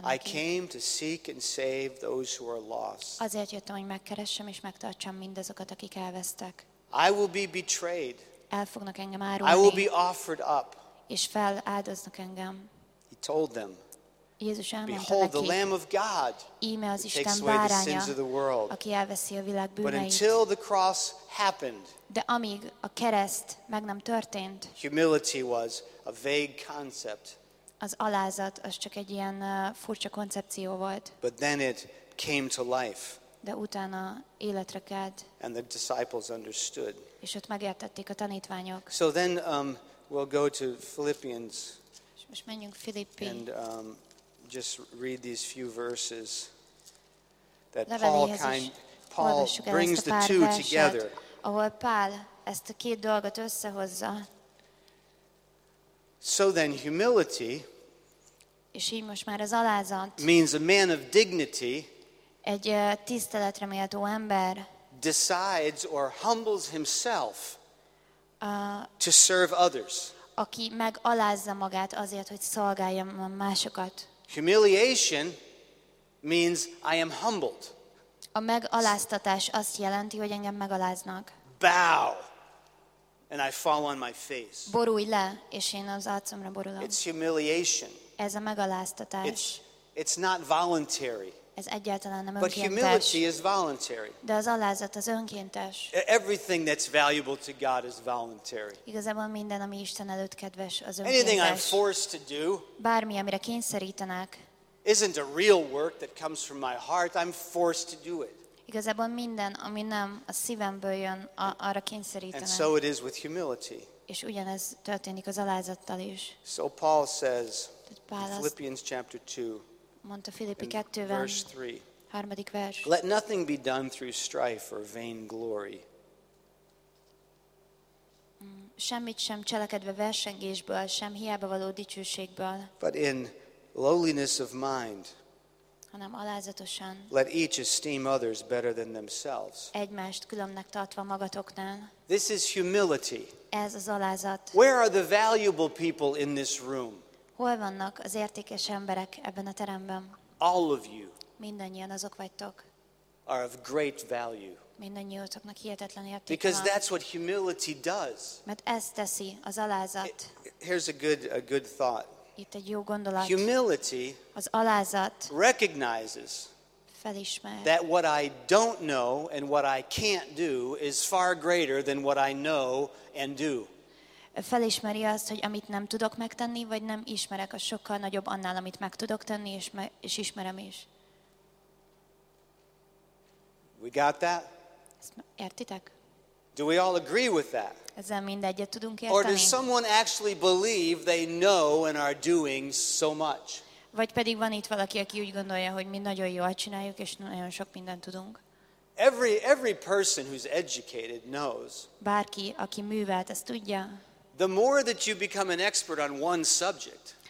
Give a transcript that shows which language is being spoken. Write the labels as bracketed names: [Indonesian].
[Hungarian] nekik. [English] I came to seek and save those who are lost. [Hungarian] Azért jöttem, hogy megkeressem és megtartsam mindazokat, akik elvesztek. [English] I will be betrayed. [Hungarian] El fognak engem árulni. [English] I will be offered up. [Hungarian] És feláldoznak engem. [English] He told them. [Hungarian] Jézus elmondta nekik. [English] Behold the Lamb of God. [Hungarian] Íme az Isten [English] takes away [Hungarian] báránya, [English] the sins of the world. [Hungarian] Aki elveszi a világ bűneit. [English] But until the cross happened. [Hungarian] De amíg a kereszt meg nem történt. [English] Humility was a vague concept. [Hungarian] Az alázat az csak egy ilyen furcsa koncepció volt. [English] But then it came to life. [Hungarian] De utána életre kelt. [English] And the disciples understood. [Hungarian] És ott megértették a tanítványok. [English] So then we'll go to Philippians. [Hungarian] És most menjünk Filippi. [English] And just read these few verses that Paul brings the two together. [Hungarian] Ahol Pál ezt a két dolgot összehozza. [English] So then humility, [Hungarian] és így most már az alázat, [English] means a man of dignity, [Hungarian] egy tiszteletre méltó ember, [English] decides or humbles himself to serve others. [Hungarian] Aki megalázza magát azért, hogy szolgálja másokat. [English] Humiliation means I am humbled. [Hungarian] A megaláztatás azt jelenti, hogy engem megaláznak. [English] Bow, and I fall on my face. [Hungarian] Borulj le, és én az arcomra borulok. [English] It's humiliation. [Hungarian] Ez a megaláztatás. [English] It's not voluntary. [Hungarian] Ez egyáltalán nem önkéntes. [English] But humility is voluntary. [Hungarian] De az alázat az önkéntes. [English] Everything that's valuable to God is voluntary. [Hungarian] Igazából minden, ami Isten előtt kedves, az önkéntes. [English] Anything I'm forced to do, [Hungarian] bármi, amire kényszerítenek, [English] isn't a real work that comes from my heart. I'm forced to do it. [Hungarian] Igazából minden, ami nem a szívemből jön, arra kényszerítenek. [English] And so it is with humility. [Hungarian] És ugyanez történik az alázattal is. [English] So Paul says in Philippians chapter 2, [Hungarian] mondta Filippi 2-ben, harmadik vers. [English] Let nothing be done through strife or vain glory. [Hungarian] Semmit sem cselekedve versengésből, sem hiába való dicsőségből. [English] But in lowliness of mind, [Hungarian] hanem alázatosan, [English] let each esteem others better than themselves. [Hungarian] Egymást különbnek tartva magatoknál. [English] This is humility. [Hungarian] Ez az alázat. [English] Where are the valuable people in this room? [Hungarian] Hol vannak az értékes emberek ebben a teremben? [English] All of you. [Hungarian] Mindannyian azok vagytok. [English] Are of great value. [Hungarian] Mindannyiótoknak hihetetlen értéke van. [English] Because that's what humility does. [Hungarian] Mert ez teszi az alázat. [English] Here's a good thought. [Hungarian] Itt egy jó gondolat. [English] Humility. [Hungarian] Az alázat. [English] Recognizes. [Hungarian] Felismer. [English] That what I don't know and what I can't do is far greater than what I know and do. [Hungarian] Felismeri azt, hogy amit nem tudok megtenni, vagy nem ismerek, az sokkal nagyobb annál, amit meg tudok tenni, és ismerem is. [English] We got that? [Hungarian] Értitek? [English] Do we all agree with that? [Hungarian] Ezzel mindegyet tudunk érteni? [English] Or does someone actually believe they know and are doing so much? [Hungarian] Vagy pedig van itt valaki, aki úgy gondolja, hogy mi nagyon jól csináljuk, és nagyon sok mindent tudunk. [English] Every person who's educated knows. [Hungarian] Bárki, aki művelt, ezt tudja. [English] The more that you become an expert on one subject,